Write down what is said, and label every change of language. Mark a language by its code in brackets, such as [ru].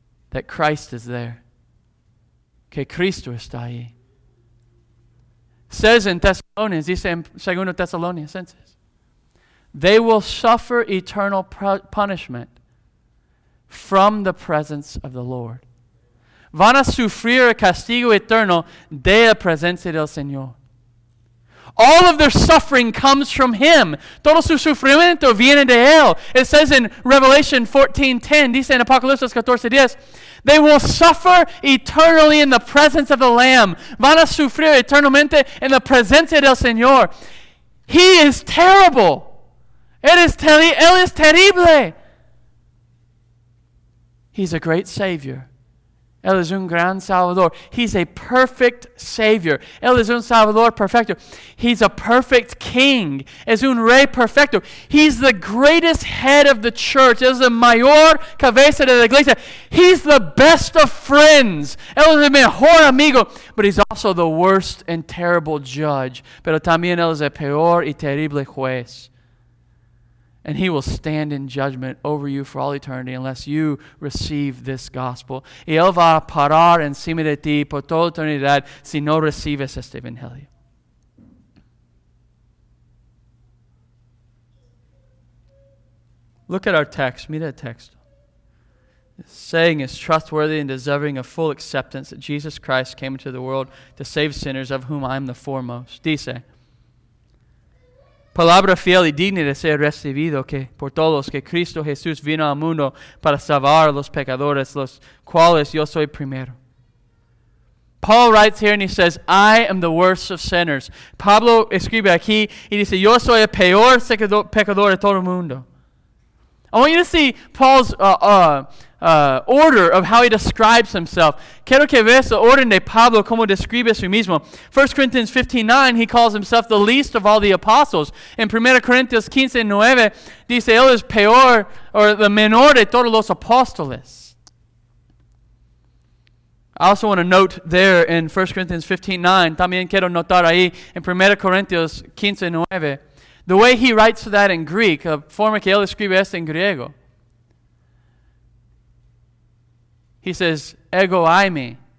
[en] That Christ is there. [es] Que Cristo está ahí. [en] says in Thessalonians, [es] dice en Segundo Tesalonicenses, [en] they will suffer eternal punishment from the presence of the Lord. [es] Van a sufrir el castigo eterno de la presencia del Señor. [en] All of their suffering comes from Him. [es] Todo su sufrimiento viene de Él. [en] It says in Revelation 14:10, [es] dice en Apocalipsis 14:10, [en] they will suffer eternally in the presence of the Lamb. [es] Van a sufrir eternamente en la presencia del Señor. [en] He is terrible. [es] Él es terrible. [en] He's a great Savior. [es] Él es un gran Salvador. [en] He's a perfect Savior. [es] Él es un Salvador perfecto. [en] He's a perfect King. [es] Es un Rey perfecto. [en] He's the greatest head of the church. [es] Es el mayor cabeza de la iglesia. [en] He's the best of friends. [es] Él es el mejor amigo. [en] But He's also the worst and terrible judge. [es] Pero también Él es el peor y terrible juez. [en] And He will stand in judgment over you for all eternity unless you receive this gospel. [es] Y Él va a parar encima de ti por toda la eternidad si no recibes este evangelio. [en] Look at our text. [es] Mira el texto. [en] This saying is trustworthy and deserving of full acceptance that Jesus Christ came into the world to save sinners, of whom I am the foremost. [es] Dice, palabra fiel y digna de ser recibido que por todos que Cristo Jesús vino al mundo para salvar a los pecadores, los cuales yo soy primero. [en] Paul writes here and he says, I am the worst of sinners. [es] Pablo escribe aquí y dice, yo soy el peor pecador de todo el mundo. [en] I want you to see Paul's order of how he describes himself. [es] Quiero que veas el orden de Pablo como describe a sí mismo. [en] 1 Corinthians 15:9, he calls himself the least of all the apostles. [es] En 1 Corinthians 15:9, dice, él es peor, or the menor de todos los apóstoles. [en] I also want to note there in 1 Corinthians 15:9, [es] también quiero notar ahí, en 1 Corinthians 15:9, [en] the way he writes that in Greek, [es] a forma que él escribe esto en griego, [en] he says, ego aimi.